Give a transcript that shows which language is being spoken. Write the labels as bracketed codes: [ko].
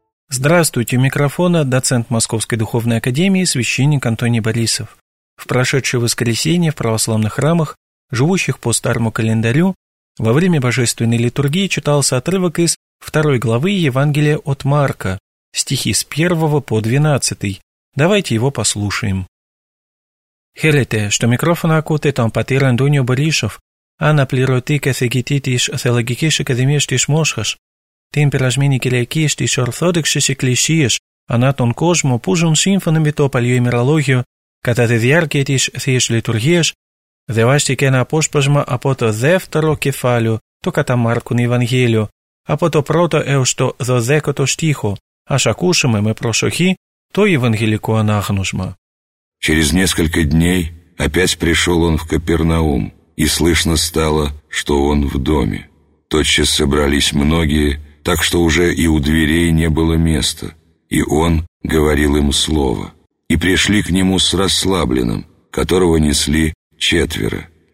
[ru] Здравствуйте, у микрофона доцент Московской духовной академии священник Антоний Борисов. В прошедшее воскресенье в православных храмах, живущих по старому календарю, во время божественной литургии читался отрывок из 2 главы Евангелия от Марка, стихи с 1 по 12. Давайте его послушаем. [el] Χαίρετε, στο μικρόφωνο ακούτε τον πατήρ Αντώνιο Μπορίσοφ, αναπληρωτή καθηγητή της Θεολογικής Ακαδημίας της Μόσχας, την περασμένη Κυριακή στις Ορθόδοξες Εκκλησίες ανά τον κόσμο που ζουν σύμφωνα με το παλιό ημερολόγιο κατά τη διάρκεια της Θείας Λειτουργίας, διαβάστηκε ένα απόσπασμα από το δεύτερο κεφάλαιο, το κατά Μάρκον Ευαγγέλιο, από το 1ο έως το 12ο στίχο. Ας ακούσουμε με προσοχή το Ευαγγελικό Ανάγνωσμα. [ru] Через несколько дней опять пришел он в Капернаум, и слышно стало, что он в доме. Тотчас собрались многие, так что уже и у дверей не было места, и он говорил им слово. И пришли к нему с расслабленным, которого несли четверо.